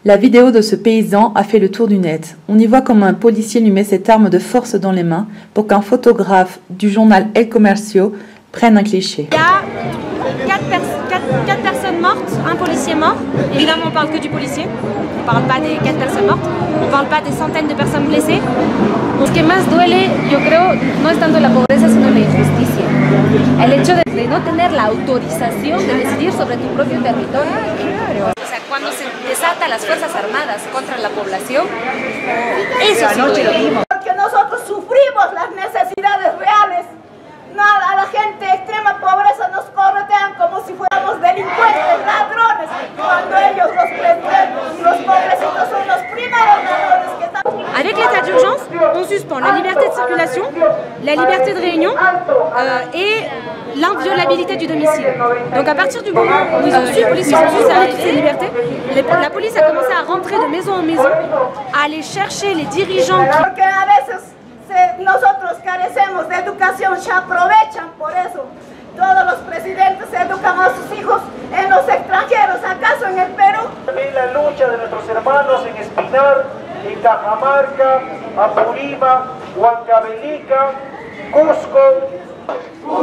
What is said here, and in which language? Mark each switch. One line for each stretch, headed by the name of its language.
French: La vidéo de ce paysan a fait le tour du net. On y voit comment un policier lui met cette arme de force dans les mains pour qu'un photographe du journal El Comercio prenne un cliché. Il y a 4 personnes mortes, un policier mort. Évidemment, on parle que du policier. On parle pas des 4 personnes mortes. On parle pas des centaines de personnes blessées.
Spanish: Lo que más duele, yo creo, no es tanto la pobreza, sino la injusticia. El hecho de no tener la autorización de decidir sobre tu propio territorio. Claro. O sea, cuando se desatan las fuerzas armadas contra la población, eso sí duele. Porque nosotros sufrimos las necesidades reales. Nada, a la gente de extrema pobreza nos corretean como si fuéramos delincuentes, ladrones, cuando ellos los prenden, los pobrecitos son los primeros ladrones que están.
French: Avec l'état d'urgence, on suspend la liberté de circulation, la liberté de réunion et l'inviolabilité du domicile. Donc à partir du moment où ils ont su, la police a commencé à rentrer de maison en maison, à aller chercher les dirigeants qui... Parce que
Spanish: à veces, nosotros carecemos de educación, se aprovechan por eso. Todos los presidentes educan a sus hijos en los extranjeros, acaso en el Perú. También la lucha de nuestros hermanos en Espinar, en Cajamarca, Apurima, Huancavelica, Cusco.